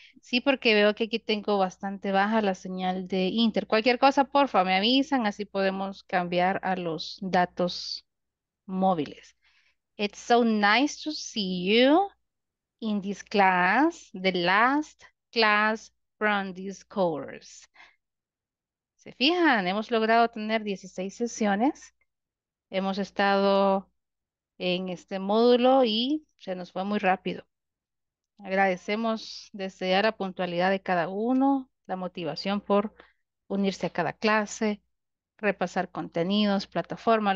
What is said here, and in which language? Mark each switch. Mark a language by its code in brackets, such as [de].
[es] Sí, porque veo que aquí tengo bastante baja la señal de Inter. Cualquier cosa, porfa, me avisan, así podemos cambiar a los datos móviles. [en] It's so nice to see you in this class, the last class from this course. [es] ¿Se fijan? Hemos logrado tener 16 sesiones. Hemos estado en este módulo y se nos fue muy rápido. Agradecemos desear la puntualidad de cada uno, la motivación por unirse a cada clase, repasar contenidos, plataformas.